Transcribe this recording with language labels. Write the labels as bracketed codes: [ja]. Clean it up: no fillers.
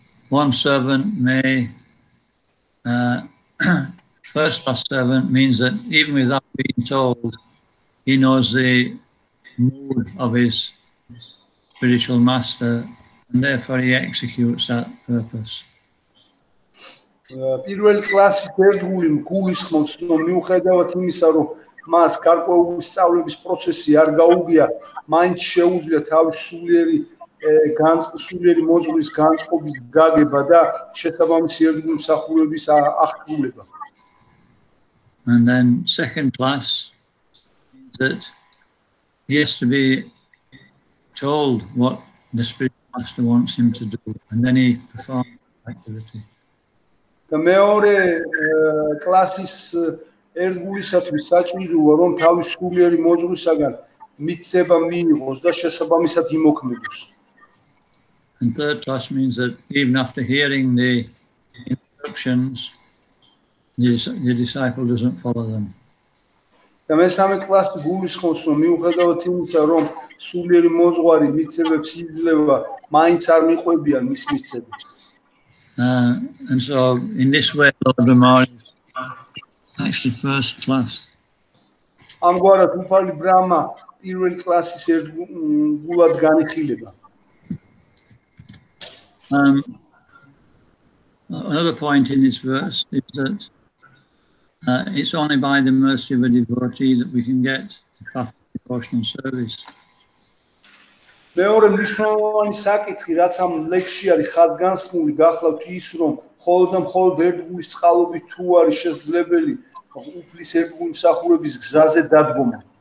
[en] One servant may, first class servant means that even without being told, he knows the mood of his spiritual master, and therefore he executes that purpose. [ka] პირველ კლასის ერთგული გულისხმობს, რომ მიუხედავად იმისა, რომ მას გარკვეული სწავლების პროცესი არ გაუგია, მაინც შეუძლია თავის სულიერი მოძღვრის განწყობის გაგება და შესაბამისი ერთგული მსახურების აღქმულება. [en] And then second class means that he has to be told what the spiritual master wants him to do, and then he performs activity. [ka] და მეორე კლასის ერთგულისათვის საჭიროა, რომ თავის სულიერი მოძღვრისაგან მიწება მიიღოს და შესაბამისად იმოქმედოს. [en] And third class means that even after hearing the instructions, the disciple doesn't follow them. [ka] და მესამე კლასი გულისხმობს, რომ მიუხედავად იმისა, რომ სულიერი მოძღვარი მიწებებს იძლევა, მაინც არ მიყვებიან მის მიწებებს. [en] And so, in this way, Lord Brahma is actually first class. [ka] ამგვარად უფალი ბრაჰმა პირველი კლასის ერთგულად განიხილება. [en] Another point in this verse is that it's only by the mercy of a devotee that we can get the path of devotional service. [ka] მეორე მნიშვნელოვანი საკითხი, რაც ამ ლექსში არის ხაზგანსმული, გახლავთ ის, რომ მხოლოდ და მხოლოდ ერთგულის წყალობით თუ არის შესაძლებელი უფლის ერთგული მსახურების გზაზე დადგომა.